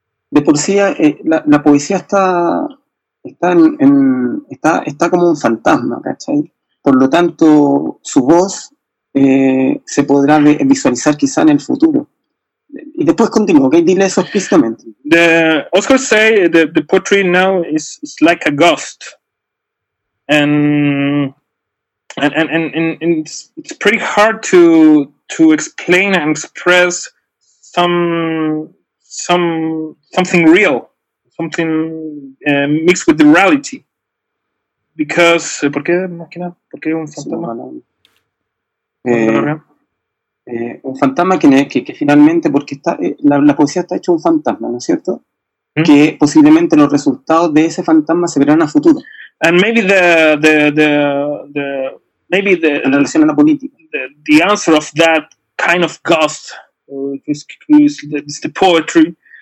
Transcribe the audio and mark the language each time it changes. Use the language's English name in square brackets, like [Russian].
[Spanish] De por sí, la poesía está como un fantasma, ¿cachai? Por lo tanto, su voz se podrá visualizar quizá en el futuro. Y después continúo, ¿okay? Dile eso explícitamente. [English] Oscar say that the poetry now is like a ghost, and it's pretty hard to explain and express something real, something mixed with the reality. [Spanish] Because, ¿por qué más que nada? ¿Por qué un fantasma? Un fantasma que finalmente, porque está la poesía está hecho un fantasma, ¿no es cierto? ¿Mm? Que posiblemente los resultados de ese fantasma se verán a futuro. [English] And maybe the [Spanish] en relación a la política. [English] The answer of that kind of ghost is the poetry.